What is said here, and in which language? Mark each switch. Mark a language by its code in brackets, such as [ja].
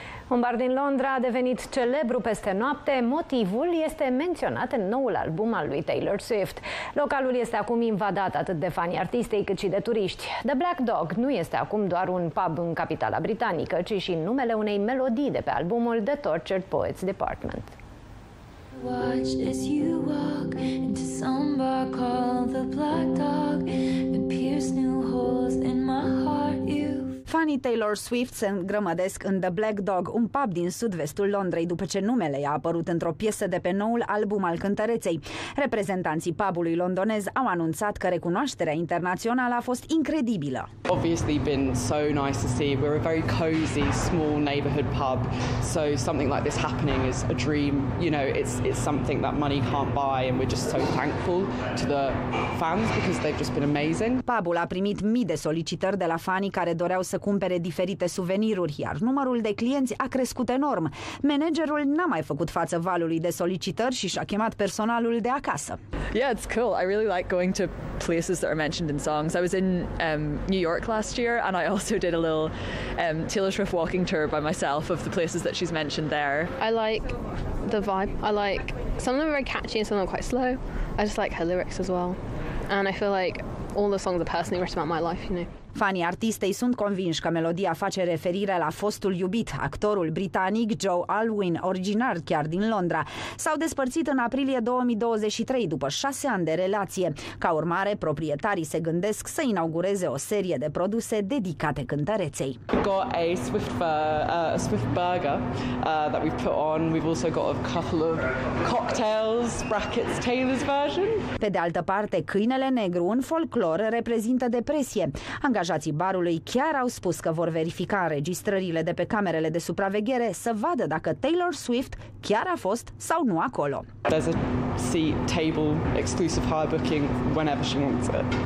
[ro] Un bar din Londra a devenit celebru peste noapte. Motivul este menționat în noul album al lui Taylor Swift. Localul este acum invadat atât de fanii artistei cât și de turiști. The Black Dog nu este acum doar un pub în capitala britanică, ci și numele unei melodii de pe albumul The Tortured Poets Department. [en] Watch as you walk into some bar called The Black Dog and pierce new holes in my heart, you. [ro] Fanii Taylor Swift se îngrămădesc în The Black Dog, un pub din sud-vestul Londrei, după ce numele i-a apărut într-o piesă de pe noul album al cântăreței. Reprezentanții pubului londonez au anunțat că recunoașterea internațională a fost incredibilă. [en] Obviously been so nice to see. We're a very cozy small neighborhood pub. So something like this happening is a dream, you know, it's something that money can't buy and we're just so thankful to the fans because they've just been amazing. [ro] Pubul a primit mii de solicitări de la fanii care doreau să cumpere diferite suveniruri, iar numărul de clienți a crescut enorm. Managerul n-a mai făcut față valului de solicitări și și-a chemat personalul de acasă. [en] Yeah, it's cool. I really like going to places that are mentioned in songs. I was in New York last year and I also did a little Taylor Swift walking tour by myself of the places that she's mentioned there. I like the vibe. I like some of them are very catchy and some of them are quite slow. I just like her lyrics as well. And I feel like all the songs are personally written about my life, you know. [ro] Fanii artistei sunt convinși că melodia face referire la fostul iubit, actorul britanic Joe Alwyn, originar chiar din Londra. S-au despărțit în aprilie 2023, după 6 ani de relație. Ca urmare, proprietarii se gândesc să inaugureze o serie de produse dedicate cântăreței. [en] We've got a Swift burger that we've put on. We've also got a couple of cocktails, brackets, Taylor's version. [ro] Pe de altă parte, câinele negru în folclor reprezintă depresie. Angajații barului chiar au spus că vor verifica înregistrările de pe camerele de supraveghere să vadă dacă Taylor Swift chiar a fost sau nu acolo. [en] There's a seat table exclusive hire booking whenever she wants it.